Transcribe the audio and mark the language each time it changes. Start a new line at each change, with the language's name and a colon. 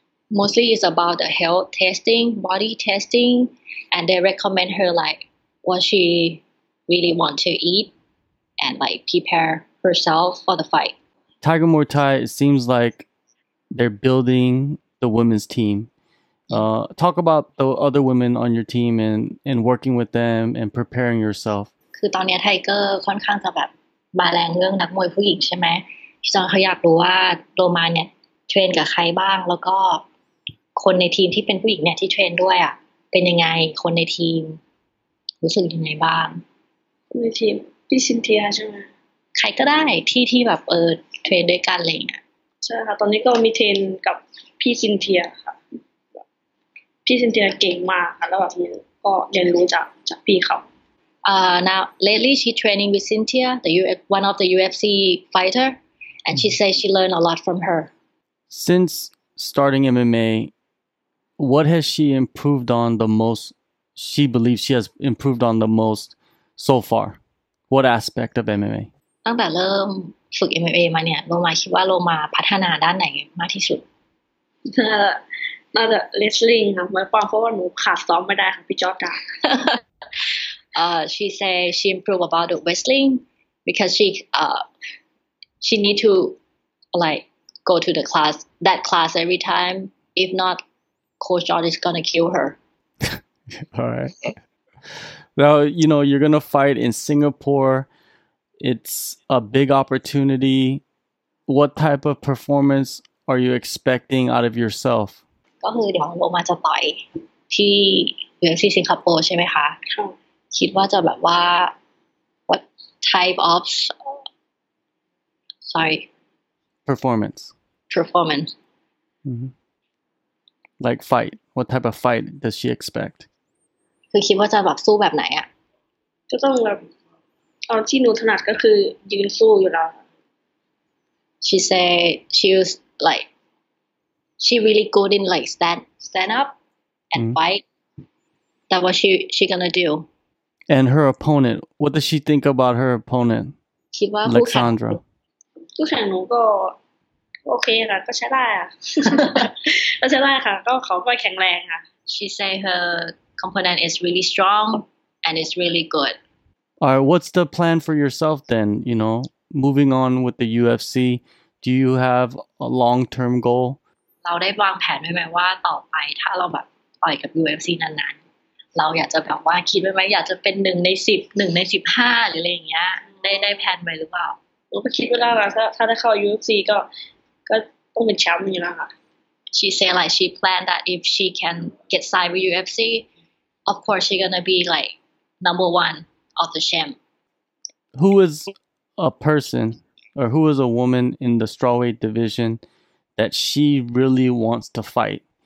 English: Mostly is about the health testing, body testing, and they recommend her like what she really want to eatand like prepare herself for the fight. Tiger Muay Thai, it seems like they're building the women's team. Talk about the other women on your team and working with them and preparing yourself.
Thai: คือตอนนี้ไทเกอร์ค่อนข้างจะแบบมาแรงเรื่องนักมวยผู้หญิงใช่ไหมพี่จอนเขาอยากรู้ว่าโดมาเนี่ยเทรนกับใครบ้างแล้วก็คนในทีมที่เป็นผู้หญิงเนี่ยที่เทรนด้วยอ่ะเป็นยังไงคนในทีมรู้สึกยังไงบ้าง ในทีมพี่ซินเทียใช่ไหม ใครก็ได้ที่แบบเทรนด้วยกันอะไรเงี้ย ใช่ค่ะตอนนี้ก็มีเทรนกับพี่ซินเทียค่ะพี่ซินเทียเก่งมากค่ะแล้วแบบก็เรียนรู้จากพี่เขา
English: Now lately she training with Cynthia the one of the UFC fighter and she say she learn a lot from her since starting MMA what has she improved on the most she believes she has improved on the most so farWhat aspect of MMA?
Thai: ตั้งแต่เริ่มฝึก MMA มาเนี่ยโรมาคิดว่าโรมาพัฒนาด้านไหนมากที่สุด น่าจะ wrestling ค่ะเพราะว่าหนูขาดซ้อมไม่ได้ค่ะพี่จอร์ดา
English: She say she improve about the wrestling because she need to like go to the class that class every time if not coach Jordan is gonna kill her. All right. Now, you know, you're going to fight in Singapore. It's a big opportunity. What type of performance are you expecting out of yourself?
Thai: ก็คือเดี๋ยวโรมาจะต่อยที่ UFC สิงคโปร์ใช่ไหมคะคิดว่าจะแบบว่า
English: what type of performance mm-hmm. like fight what type of fight does she expect
Thai: คือคิดว่าจะแบบสู้แบบไหนอ่ะ ก็ต้องแบบเอาที่หนูถนัดก็คือยืนสู้อยู่แล้ว
English: She said she was like she really good in like stand up and fight that what she gonna do and her opponent what does she think about her opponent
Thai: คิดว่า Alexandra คู่แข่งหนูก็โอเคค่ะก็ใช้ได้อ่ะก็ใช้ได้ค่ะก็เขาก็แข็งแรงค่ะ
English: She said her component is really strong and it's really good. All right, what's the plan for yourself then, you know, moving on with the UFC? Do you have a long-term goal?
Thai: เราได้วางแผนไว้ไหมว่าต่อไปถ้าเราแบบไปกับ UFC นานๆเราอยากจะแบบว่าคิดไว้ไหมอยากจะเป็น1ใน10 1ใน15หรืออะไรอย่างเงี้ยได้แผนไว้หรือเปล่า หรือว่าคิดว่าถ้าได้เข้า UFC ก็ต้องเป็นแชมป์อยู่แล้วค่ะ
English: She said like she planned that if she can get signed with UFCOf course, she's going to be, like, number one of the champ. Who is a person, or who is a woman in the strawweight division that she really wants to fight?